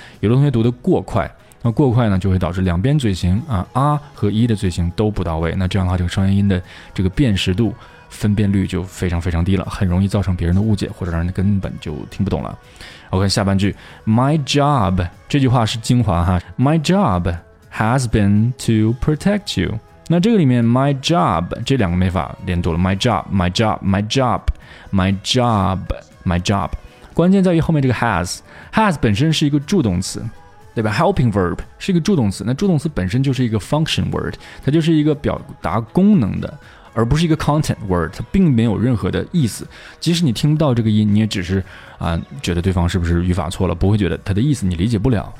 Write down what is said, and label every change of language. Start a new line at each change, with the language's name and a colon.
Chinese: 有的同学读得过快，那过快呢就会导致两边嘴型啊 ,R 和 E 的嘴型都不到位，那这样的话这个双元音的这个辨识度分辨率就非常非常低了，很容易造成别人的误解或者让人根本就听不懂了。OK, 下半句 ,My job, 这句话是精华哈 ,
English: My job,has been to protect you.
Chinese: 那这个里面 my job, 这两个没法连读了
English: my job, my job, my job,
Chinese: my job, my job. 关键在于后面这个 has. has 本身是一个助动词，对吧？ helping verb 是一个助动词，那助动词本身就是一个 function word, 它就是一个表达功能的，而不是一个 content word, 它并没有任何的意思。即使你听不到这个音，你也只是觉得对方是不是语法错了，不会觉得它的意思你理解不了。